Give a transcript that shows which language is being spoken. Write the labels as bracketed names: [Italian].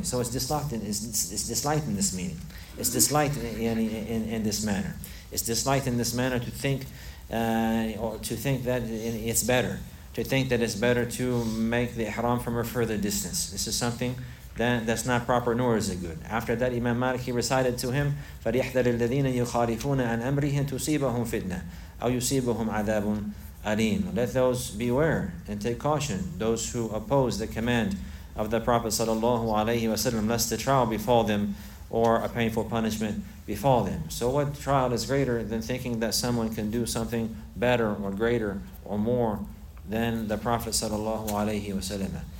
[English] So it's disliked in this meaning. It's disliked in this manner. It's disliked in this manner to think that it's better. To think that it's better to make the ihram from a further distance. This is something that's not proper, nor is it good. [Arabic] After that, Imam Malik, he recited to him, فَلْيَحْذَرِ الَّذِينَ يُخَالِفُونَ عَنْ أَمْرِهِمْ تُصِيبَهُمْ فِتْنَةً أَوْ يُصِيبَهُمْ عَذَابٌ أَلِيمٌ. [English] Let those beware and take caution, those who oppose the command of the Prophet sallallahu alaihi wasallam, lest the trial befall them or a painful punishment befall them. So what trial is greater than thinking that someone can do something better or greater or more than the Prophet sallallahu alaihi wasallam?